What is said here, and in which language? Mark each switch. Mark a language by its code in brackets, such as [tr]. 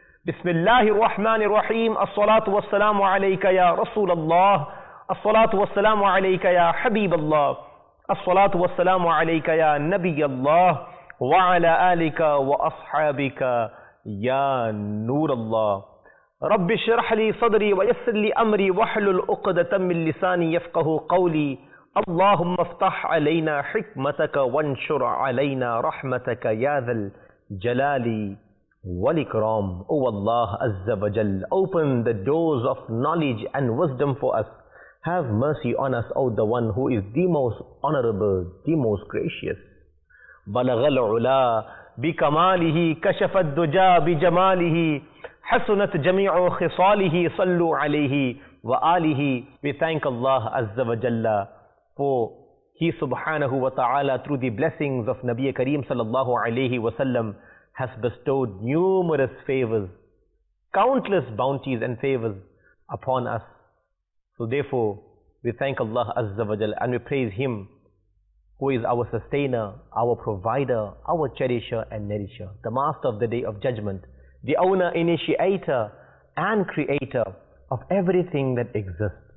[ar] بسم الله الرحمن الرحيم. الصلاة والسلام عليك يا رسول الله، الصلاة والسلام عليك يا حبيب الله، الصلاة والسلام عليك يا نبي الله، وعلى آلك وأصحابك يا نور الله. رب اشرح لي صدري ويسر لي امري واحلل عقدة من لساني يفقهوا قولي. اللهم افتح علينا حكمتك وانشر علينا رحمتك يا ذا الجلال والاكرام. او الله عز وجل، [en] open the doors of knowledge and wisdom for us. Have mercy on us, O the one who is the most honorable, the most gracious. [ar] بلغ العلا بكماله كشف الدجى بجماله حسنت جميع خصاله صلوا عليه وآله. [en] We thank Allah Azza wa Jalla for He subhanahu wa ta'ala, through the blessings of Nabi Kareem sallallahu alayhi wa sallam, has bestowed numerous favors, countless bounties and favors upon us. So therefore, we thank Allah Azza wa Jalla and we praise Him who is our sustainer, our provider, our cherisher and nourisher, the master of the day of judgment, the owner, initiator and creator of everything that exists.